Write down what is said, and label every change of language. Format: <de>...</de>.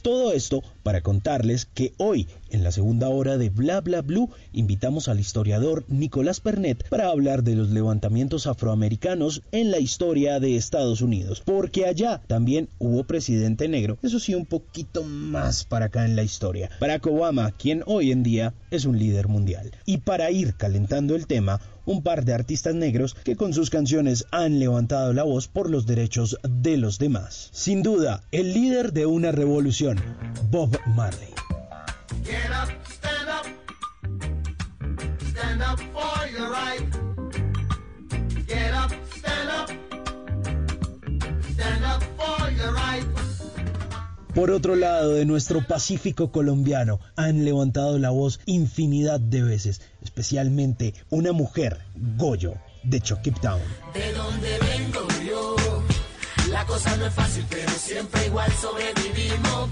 <es>Todo esto para contarles que hoy, en la segunda hora de Bla Bla Blu, invitamos al historiador Nicolás Pernet para hablar de los levantamientos afroamericanos en la historia de Estados Unidos, porque allá también hubo presidente negro, eso sí, un poquito más para acá en la historia, Barack Obama, quien hoy en día es un líder mundial. Y para ir calentando el tema, un par de artistas negros que con sus canciones han levantado la voz por los derechos de los demás. Sin duda, el líder de una revolución, Bob Marley.</es> <en>Get up, stand up, stand up for your right. Get up, stand up, stand up for your right.</en> <es>Por otro lado, de nuestro Pacífico colombiano, han levantado la voz infinidad de veces, especialmente una mujer, Goyo, de Chocquip Town. ¿De dónde vengo yo? La cosa no es fácil, pero siempre igual sobrevivimos.</es>